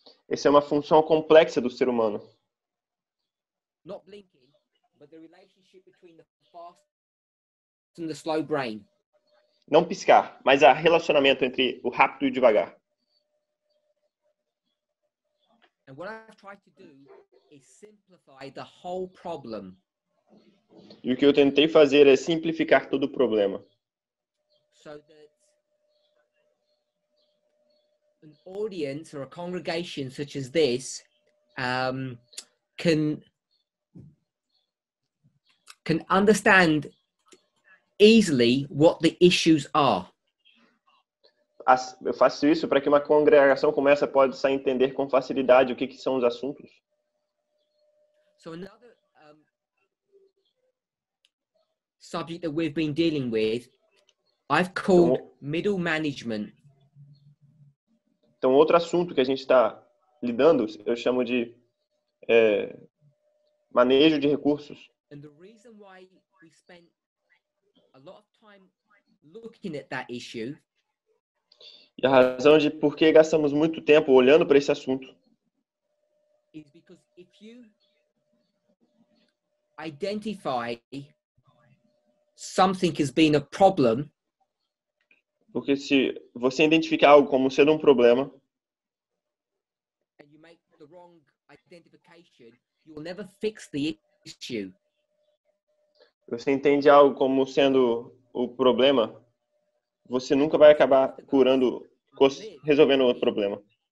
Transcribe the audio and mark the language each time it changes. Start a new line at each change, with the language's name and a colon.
Portuguese: Essa é uma função complexa do ser humano. Não
English: blinking,
Portuguese: mas a relação entre o
English: fast
Portuguese: e o
English: slow brain.
Portuguese: Não piscar, mas há relacionamento entre o rápido e o devagar.
English: And what I've tried to do is simplify the whole problem.
Portuguese: E o que eu tentei fazer é simplificar todo o problema.
English: So that an audience or a congregation such as this can understand easily what the issues are.
Portuguese: Eu faço isso para que uma congregação comece a poder entender com facilidade o que são os assuntos.
English: So another subject that we've been dealing with, I've called middle management.
Portuguese: Então, outro assunto que a gente está lidando, eu chamo de manejo de recursos.
English: And the reason why we spent a lot of time looking at that issue.
Portuguese: E a razão de por que gastamos muito tempo olhando para esse assunto.
English: Is because if you identify something as being a problem.
Portuguese: Porque se você identificar algo como sendo um problema.
English: And you make the wrong identification, you will never fix the issue.
Portuguese: Você entende algo como sendo o problema, você nunca vai acabar curando, resolvendo o problema.